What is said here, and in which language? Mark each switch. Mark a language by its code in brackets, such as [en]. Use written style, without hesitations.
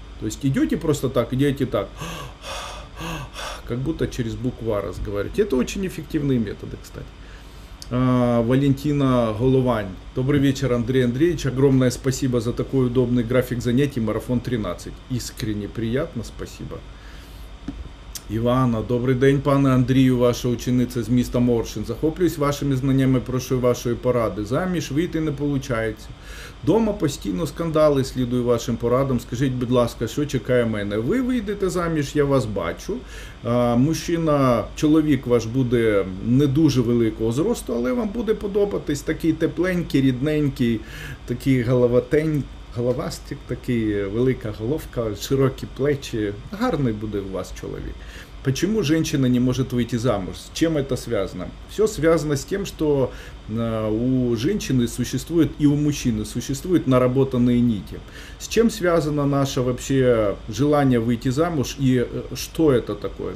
[ru] То есть идете просто так, идете так, как будто через букву «А» разговариваете. Это очень эффективные методы, кстати. Валентина Головань. Добрый вечер, Андрей Андреевич. Огромное спасибо за такой удобный график занятий. Марафон 13. Искренне приятно, спасибо. Ивана. Добрый день, [uk] пане Андрію, ваша ученица з міста Моршин. Захоплююсь вашими знаниями, прошу вашої поради. Заміж вийти не получається. Дома постійно скандали, слідую вашим порадам. Скажіть, будь ласка, що чекає мене? Ви вийдете заміж, я вас бачу. Мужчина, чоловік ваш буде не дуже великого зросту, але вам буде подобатись. Такий тепленький, рідненький, такий головатенький. Головастик такий, велика головка, широкі плечі. Гарний буде у вас чоловік. [ru] Почему женщина не может выйти замуж? С чем это связано? Все связано с тем, что у женщины существует и у мужчины существуют наработанные нити. С чем связано наше вообще желание выйти замуж и что это такое?